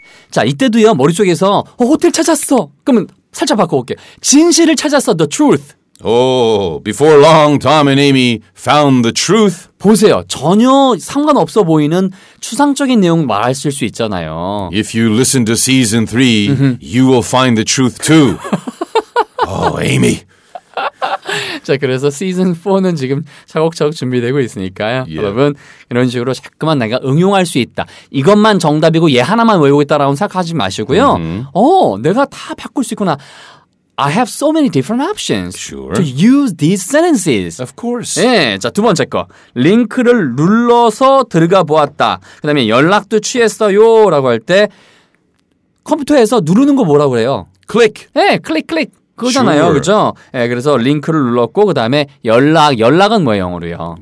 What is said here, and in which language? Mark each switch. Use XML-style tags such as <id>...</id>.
<ko>자, 이때도요, 머릿속에서 호텔 찾았어. 그러면 살짝 바꿔볼게. 진실을 찾았어.</ko> <en>The truth. Oh, before long, Tom and Amy found the truth.</en> <ko>보세요. 전혀 상관없어 보이는 추상적인 내용 말하실 수 있잖아요.</ko> <en>If you listen to season 3, you will find the truth too. Oh, Amy.</en> <ko>자, 그래서 시즌 4는 지금 차곡차곡 준비되고 있으니까요.</ko> <en>Yeah.</en> <ko>여러분, 이런 식으로 자꾸만 내가 응용할 수 있다. 이것만 정답이고 얘 하나만 외우고 있다라고 생각하지 마시고요. 내가 다 바꿀 수 있구나.</ko> <en>I have so many different options to use these sentences. Of course.</en> <ko>예, 자, 두 번째 거. 링크를 눌러서 들어가 보았다. 그다음에 연락도 취했어요라고 할 때 컴퓨터에서 누르는 거 뭐라고 그래요?</ko> <en>Click.</en> <ko>예, 클릭, 클릭. 그거잖아요, sure. 그죠? 예, 그래서 링크를 눌렀고, 그 다음에 연락, 연락은 뭐예요, 영어로요?</ko>